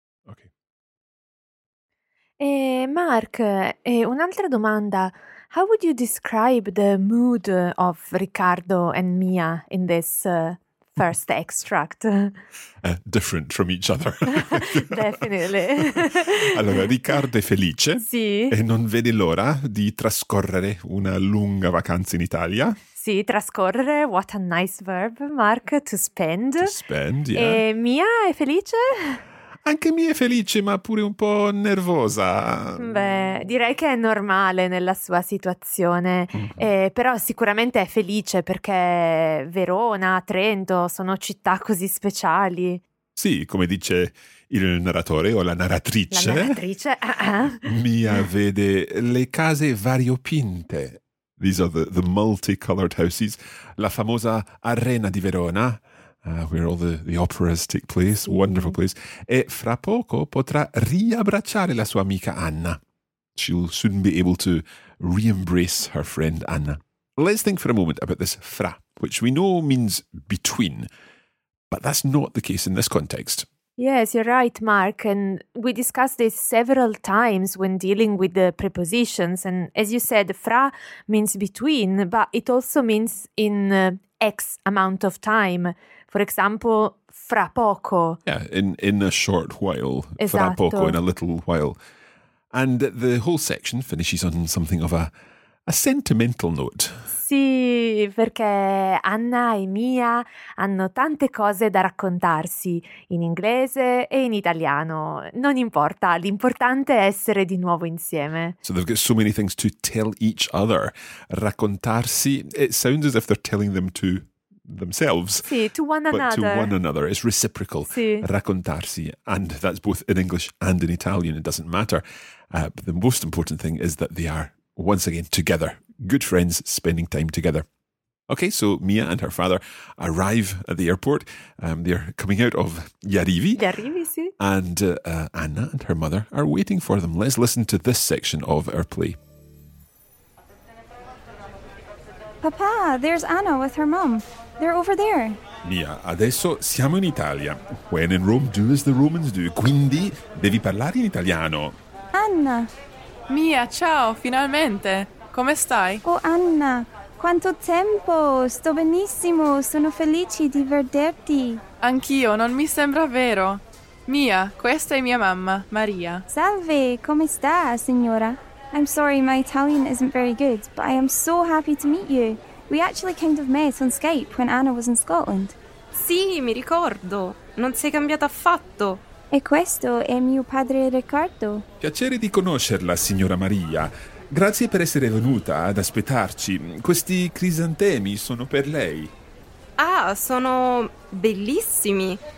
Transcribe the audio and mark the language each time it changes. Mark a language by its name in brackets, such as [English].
[English] Okay. [Italian] Mark, un'altra domanda. [English] How would you describe the mood of Riccardo and Mia in this first extract. Different from each other. Definitely. [Italian] Allora, Riccardo è felice. Sì. E non vede l'ora di trascorrere una lunga vacanza in Italia. Sì, trascorrere. [English] What a nice verb, Mark. To spend. To spend, yeah. [Italian] E Mia è felice? Anche Mia è felice, ma pure un po' nervosa. Beh, direi che è normale nella sua situazione, però sicuramente è felice perché Verona, Trento sono città così speciali. Sì, come dice il narratore o la narratrice. La narratrice. Mia vede le case variopinte. [English] These are the multicolored houses. [Italian] La famosa Arena di Verona. [English] Where all the operas take place, wonderful place. [Italian] E fra poco potrà riabbracciare la sua amica Anna. [English] She'll soon be able to re-embrace her friend Anna. Let's think for a moment about this fra, which we know means between, but that's not the case in this context. Yes, you're right, Mark. And we discussed this several times when dealing with the prepositions. And as you said, fra means between, but it also means in X amount of time. For example, fra poco. Yeah, in a short while. [Italian] Esatto. Fra poco, [English] in a little while. And the whole section finishes on something of a sentimental note. [Italian] Sì, perché Anna e Mia hanno tante cose da raccontarsi, in inglese e in italiano. Non importa, l'importante è essere di nuovo insieme. [English] So they've got so many things to tell each other. Raccontarsi, it sounds as if they're telling them to themselves. Sì, to one another. But to one another, it's reciprocal. [Italian] Sì. [English] Raccontarsi, and that's both in English and in Italian, it doesn't matter. But the most important thing is that they are, once again, together. Good friends spending time together. Okay, so Mia and her father arrive at the airport. They're coming out of Yarivi. [Italian] Yarivi, sì. [English] And Anna and her mother are waiting for them. Let's listen to this section of our play. Papa, there's Anna with her mom. They're over there. [Italian] Mia, adesso siamo in Italia. [English] When in Rome, do as the Romans do. [Italian] Quindi devi parlare in italiano. Anna. Mia, ciao, finalmente. Come stai? Oh, Anna. Quanto tempo! Sto benissimo, sono felice di vederti. Anch'io, non mi sembra vero. Mia, questa è mia mamma, Maria. Salve, come sta, signora? [English] I'm sorry, my Italian isn't very good, but I am so happy to meet you. We actually kind of met on Skype when Anna was in Scotland. [Italian] Sì, mi ricordo. Non sei cambiata affatto. E questo è mio padre Riccardo. Piacere di conoscerla, signora Maria. Grazie per essere venuta ad aspettarci. Questi crisantemi sono per lei. Ah, sono bellissimi.